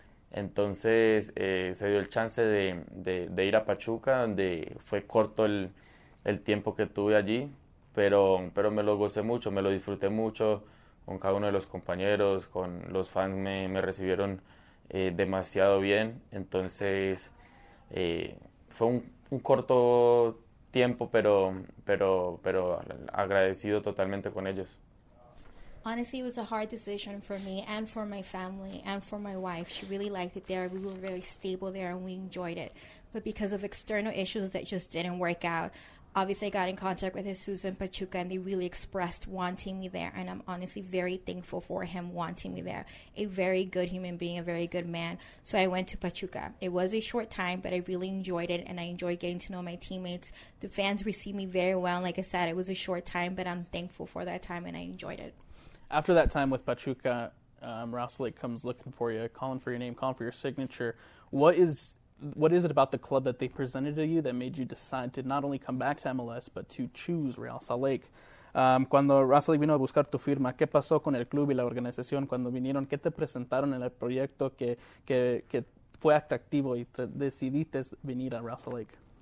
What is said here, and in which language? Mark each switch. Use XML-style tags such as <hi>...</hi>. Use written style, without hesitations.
<es>Entonces se dio el chance de ir a Pachuca, donde fue corto el tiempo que tuve allí, pero me lo gocé mucho, me lo disfruté mucho con cada uno de los compañeros, con los fans me recibieron demasiado bien. Entonces fue un corto tiempo, pero agradecido totalmente con ellos.</es> <en>Honestly, it was a hard decision for me and for my family and for my wife. She really liked it there. We were very stable there and we enjoyed it. But because of external issues that just didn't work out, obviously I got in contact with Jesus and Pachuca and they really expressed wanting me there. And I'm honestly very thankful for him wanting me there. A very good human being, a very good man. So I went to Pachuca. It was a short time, but I really enjoyed it and I enjoyed getting to know my teammates. The fans received me very well. Like I said, it was a short time, but I'm thankful for that time and I enjoyed it. After that time with Pachuca, Rouselet comes looking for you, calling for your name, calling for your signature. What is it about the club that they presented to you that made you decide to not only come back to MLS, but to choose Real Salt Lake?</en> <es>Cuando Rouselet vino a buscar tu firma, ¿qué pasó con el club y la organización cuando vinieron? ¿Qué te presentaron en el proyecto que fue atractivo y decidiste venir a Rouselet Lake?</es>